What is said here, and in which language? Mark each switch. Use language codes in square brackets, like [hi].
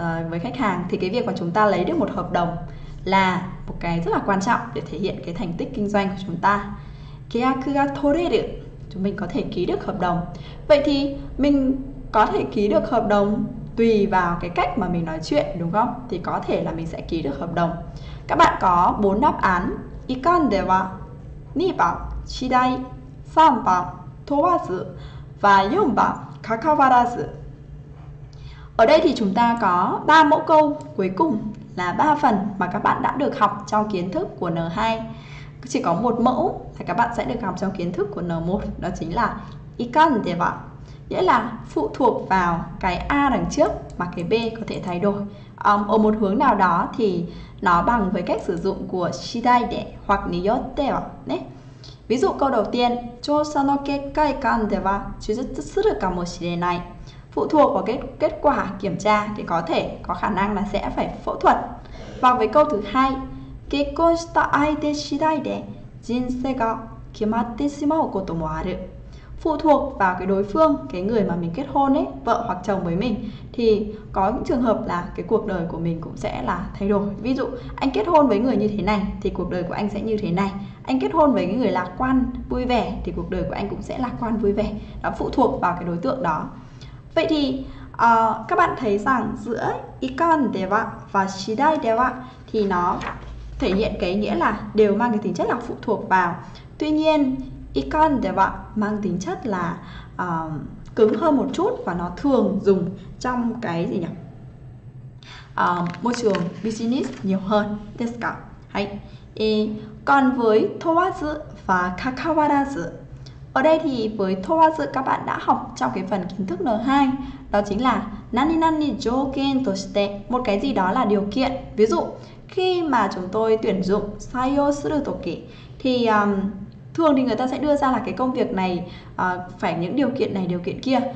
[vi] Với khách hàng thì cái việc mà chúng ta lấy được một hợp đồng là một cái rất là quan trọng để thể hiện cái thành tích kinh doanh của chúng ta. [ja] Keyaku ga toreru, [vi] chúng mình có thể ký được hợp đồng. Vậy thì mình có thể ký được hợp đồng tùy vào cái cách mà mình nói chuyện đúng không? Thì có thể là mình sẽ ký được hợp đồng. Các bạn có bốn đáp án. [ja] Ikan de wa 2番、期待、3番、問わず và 4番、関わらず。 [vi] Ở đây thì chúng ta có 3 mẫu câu cuối cùng là 3 phần mà các bạn đã được học trong kiến thức của N2. Chỉ có một mẫu là các bạn sẽ được học trong kiến thức của N1, đó chính là いかんでは, nghĩa là phụ thuộc vào cái A đằng trước mà cái B có thể thay đổi. Ở một hướng nào đó thì nó bằng với cách sử dụng của しだいで hoặc によっては. Ví dụ câu đầu tiên, [ja] 調査の結果いかんでは手術するかもしれない. [vi] Phụ thuộc vào kết quả kiểm tra thì có thể có khả năng là sẽ phải phẫu thuật. Và với câu thứ hai, [ja] 結婚した相手次第で人生が決まってしまうこともある. [vi] Phụ thuộc vào cái đối phương, cái người mà mình kết hôn ấy, vợ hoặc chồng với mình, thì có những trường hợp là cái cuộc đời của mình cũng sẽ là thay đổi. Ví dụ anh kết hôn với người như thế này thì cuộc đời của anh sẽ như thế này. Anh kết hôn với cái người lạc quan, vui vẻ thì cuộc đời của anh cũng sẽ lạc quan, vui vẻ. Nó phụ thuộc vào cái đối tượng đó. Vậy thì các bạn thấy rằng giữa いかんでは và しだいでは thì nó thể hiện cái nghĩa là đều mang cái tính chất là phụ thuộc vào. Tuy nhiên いかんでは mang tính chất là cứng hơn một chút và nó thường dùng trong cái gì nhỉ? Môi trường business nhiều hơn. [ja] Desu ka? [vi] Hay. Còn với とわず và かかわらず. Ở đây thì với とわず các bạn đã học trong cái phần kiến thức N2, đó chính là [ja] なになに条件として, [vi] một cái gì đó là điều kiện. Ví dụ khi mà chúng tôi tuyển dụng [ja] 採用する時 [vi] thì thường thì người ta sẽ đưa ra là cái công việc này phải những điều kiện này, điều kiện kia.